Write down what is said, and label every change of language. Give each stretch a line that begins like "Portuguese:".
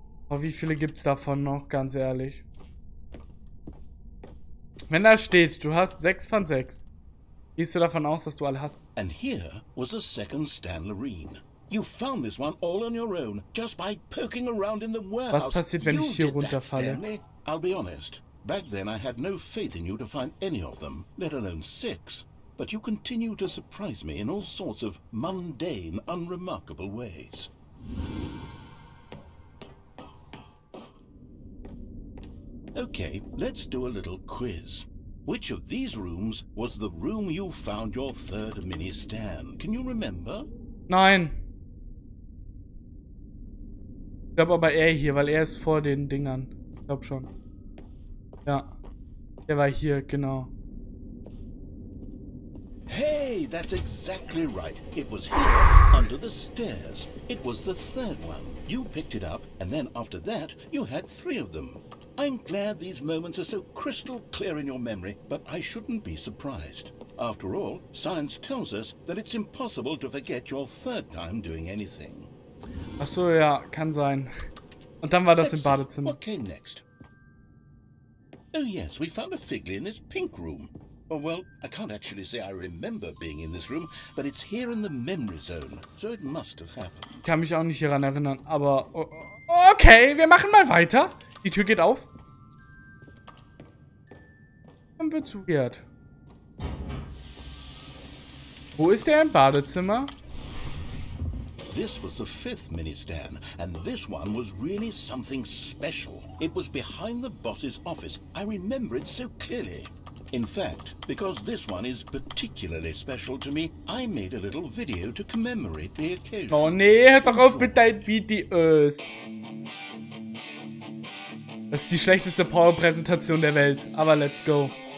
German: Oh, wie viele gibt's davon noch, ganz ehrlich? Wenn da steht, du hast 6 von 6, gehst du davon aus, dass du alle hast?
English: And here was a second Stanleyreen. You found this one all on your own, just by poking around in the warehouse.
German: Was passiert, wenn ich hier runterfalle?
English: I'll be honest. Back then I had no faith in you to find any of them, let alone 6. But you continue to surprise me in all sorts of mundane, unremarkable ways. Okay, let's do a little quiz. Which of these rooms was the room you found your third mini stand? Can you remember?
German: Nein. Ich glaube aber er hier, weil er ist vor den Dingern. Ich glaube schon. Ja. Er war hier, genau.
English: Hey, that's exactly right. It was here, under the stairs. It was the third one. You picked it up, and then after that, you had 3 of them. I'm glad these moments are so crystal clear in your memory, but I shouldn't be surprised. After all, science tells us that it's impossible to forget your third time doing anything.
German: Ach so, ja, kann sein. Und dann war das im Badezimmer.
English: What came next? Oh yes, we found a figly in this pink room. Oh well, I can't actually say I remember being in this room, but it's here in the memory zone, so it must have happened.
German: Ich kann mich auch nicht daran erinnern, aber okay, wir machen mal weiter. Die Tür geht auf. Dann wird zugehört. Wo ist der im Badezimmer?
English: This was the 5th mini stand, and this one was really something special. It was behind the boss's office. I remember it so clearly. In fact, because this one is particularly special to me, I made a little video to commemorate the occasion.
German: Oh nee, hört doch auf mit deinen Videos. Das ist die schlechteste Power-Präsentation der Welt, aber
English: let's go.